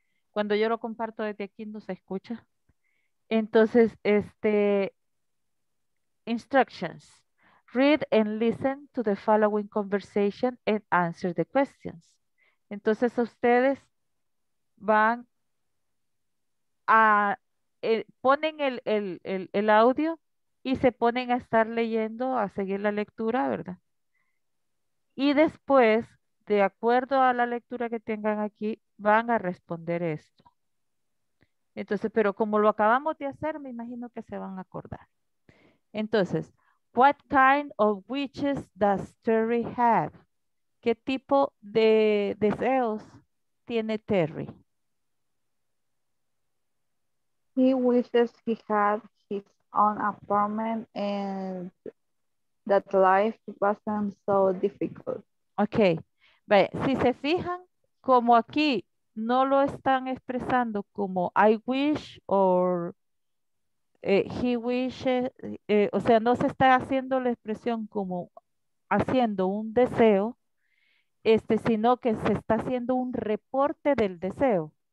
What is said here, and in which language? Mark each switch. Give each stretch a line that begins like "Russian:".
Spanish: Cuando yo lo comparto desde aquí, no se escucha. Entonces, instructions.
English: Read and listen to the following conversation and answer the questions.
Spanish: Entonces, ustedes van a, ponen el audio y se ponen a estar leyendo, a seguir la lectura, ¿verdad? Y después, de acuerdo a la lectura que tengan aquí, van a responder esto. Entonces, pero como lo acabamos de hacer, me imagino que se van a acordar.
English: Entonces, what kind of wishes does Terry have?
Spanish: ¿Qué tipo de deseos tiene Terry?
English: He wishes he had his own apartment and that life wasn't so difficult. Okay.
Spanish: But, si se fijan, como aquí no lo están expresando como
English: I wish
Spanish: or
English: he wishes,
Spanish: o sea, no se está haciendo la expresión como haciendo un deseo, sino que se está haciendo un reporte del deseo.